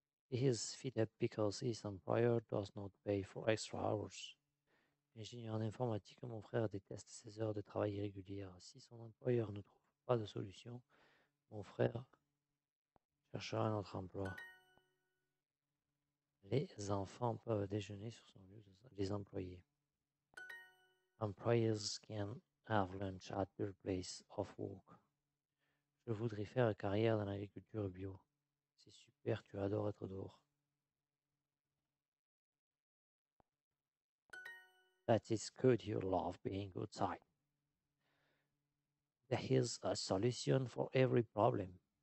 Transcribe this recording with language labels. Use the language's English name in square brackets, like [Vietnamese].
[English] He is fed up because his employer does not pay for extra hours. [French] Ingénieur en informatique, mon frère déteste ses heures de travail irrégulières. Si son employeur ne trouve pas de solution, mon frère cherchera un autre emploi. Les enfants peuvent déjeuner sur son lieu des employés. [English] Employees can have lunch at their place of work. [French] Je voudrais faire une carrière dans l'agriculture bio. C'est super, tu adores être dehors. [English] That is good, you love being outside. There is a solution for every problem.